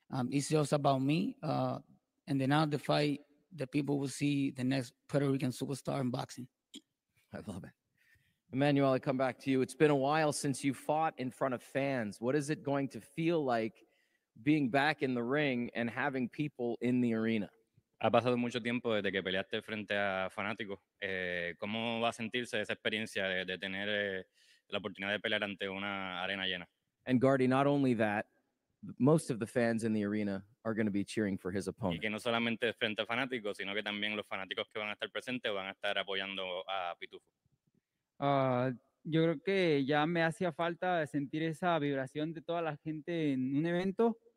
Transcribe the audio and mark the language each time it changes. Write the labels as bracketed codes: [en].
[en] It's just about me. And then out of the fight, the people will see the next Puerto Rican superstar in boxing. I love it. Emmanuel, I come back to you. It's been a while since you fought in front of fans. What is it going to feel like being back in the ring and having people in the arena? [es] Ha pasado mucho tiempo desde que peleaste frente a fanáticos. ¿Cómo va a sentirse esa experiencia de tener la oportunidad de pelear ante una arena llena? [en] And Guardy, not only that, most of the fans in the arena are going to be cheering for his opponent. [es] Y que no solamente frente a fanáticos, sino que también los fanáticos que van a estar presentes van a estar apoyando a Pitufo. Yo creo que ya me hacía falta sentir esa vibración de toda la gente en un evento.